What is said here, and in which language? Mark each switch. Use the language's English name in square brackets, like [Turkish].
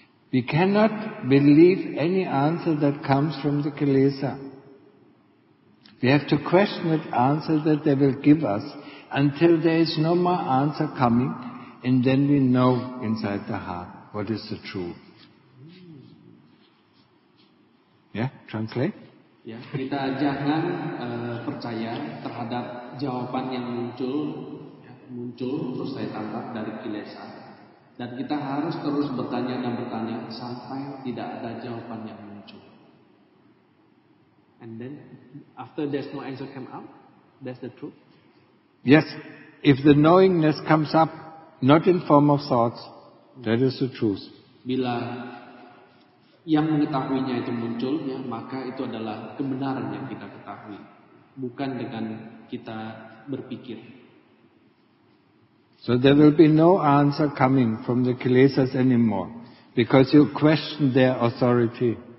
[English] We cannot believe any answer that comes from the Kilesa. We have to question the answer that they will give us until there is no more answer coming, and then we know inside the heart what is the truth. Yeah, translate. [Indonesian] Ya, kita jangan percaya terhadap jawaban yang muncul terus saya tangkap dari Kilesa. Dan kita harus terus bertanya sampai tidak ada jawaban yang muncul. [English] And then, after there's no answer came up, that's the truth. Yes, if the knowingness comes up, not in form of thoughts, that is the truth. [Indonesian] Bila yang mengetahuinya itu muncul, ya, maka itu adalah kebenaran yang kita ketahui, bukan dengan kita berpikir. [English] So there will be no answer coming from the Kilesas anymore, because you question their authority.